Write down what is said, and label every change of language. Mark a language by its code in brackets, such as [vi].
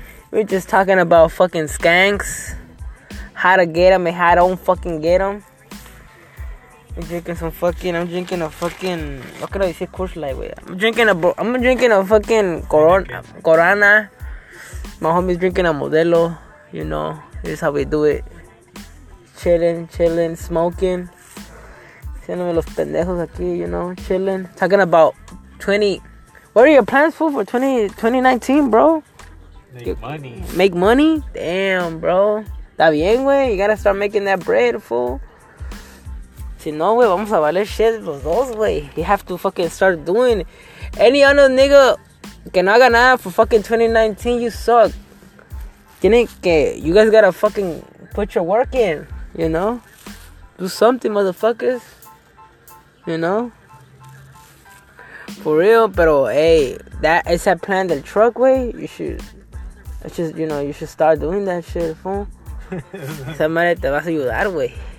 [en] We're just talking about fucking skanks. How to get them and how to don't fucking get them. I'm drinking a fucking... What can I say? Coors Light, wey. I'm drinking a fucking Corona. My homie's drinking a Modelo. You know, this is how we do it. Chilling, smoking. [es] Siéndome los pendejos aquí, [en] you know, chilling. Talking about 20... What are your plans for 2019, bro? Make money? Damn, bro. [es] Está bien, güey. [en] You gotta start making that bread, fool. [es] Si no, güey, vamos a valer shit los dos, güey. [en] You have to fucking start doing it. Any other nigga [es] que no haga nada [en] for fucking 2019, you suck. [es] Tiene que... [en] You guys gotta fucking put your work in, you know? Do something, motherfuckers. You know? For real, pero hey, that is that plan the truck way. You should start doing that shit, fool. [es] Esa madre te vas a ayudar, wey.